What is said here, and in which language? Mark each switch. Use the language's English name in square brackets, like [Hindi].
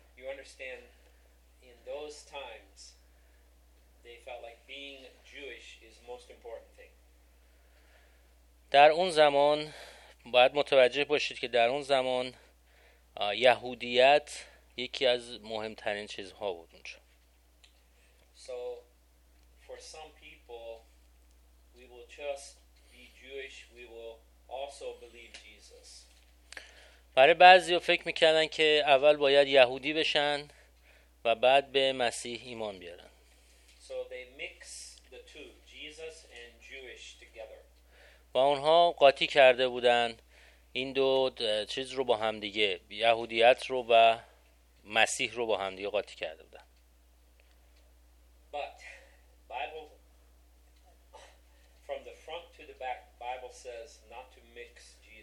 [English] Understand in those times they felt like being Jewish is most important thing. [Persian] در اون زمان باید متوجه باشید که در اون زمان یهودیت یکی از مهمترین چیزها بود اونجا. [English] So for some people we will just be Jewish, we will also believe Jesus. [Persian] برای بعضی ها فکر میکردن که اول باید یهودی بشن و بعد به مسیح ایمان بیارن. [English] So they mix the two, Jesus and Jewish together. [Persian] و اونها قاطی کرده بودن این دو چیز رو با هم دیگه، یهودیت رو و مسیح رو با هم دیگه قاطی کرده بودن. [English] But Bible, from the front to the back, Bible says not to mix.